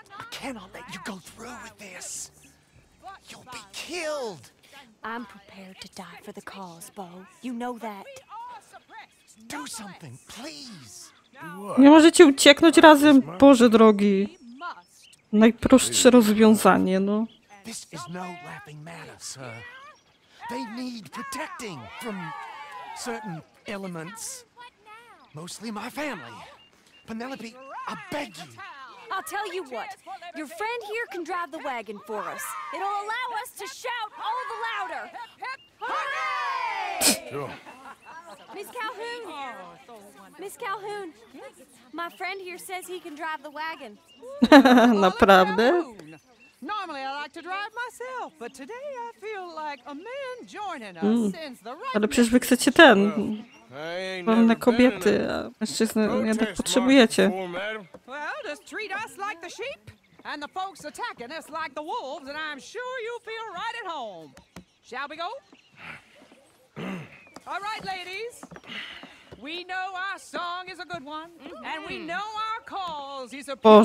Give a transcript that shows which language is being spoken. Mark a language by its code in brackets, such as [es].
[en] Cannot let you go through with this. You'll be killed. I'm prepared to die for the cause, Bo. You know that. Do something, please. [pl] Nie możecie ucieknąć razem, Boże drogi. Najprostsze rozwiązanie, no. [en] This is no laughing matter, sir. They need protecting from certain elements. Mostly my family. Penelope, I beg you. I'll tell you what. Your friend here can drive the wagon for us. It'll allow us to shout all the louder. Hooray! Sure. Miss Calhoun. Oh, so Miss Calhoun. My friend here says he can drive the wagon. [pl] Naprawdę? [en] Normally I like to drive myself, but today I feel like a man joining us sends the right. [pl] Ale przecież wy chcecie ten. Wolne kobiety, a mężczyzny nie tak potrzebujecie. [en] Well, just treat us like the sheep, and the folks attacking us like the wolves, and I'm sure you feel right at home. Shall we go? All right, ladies. We know our song is a good one, and we know our cause is a pure one.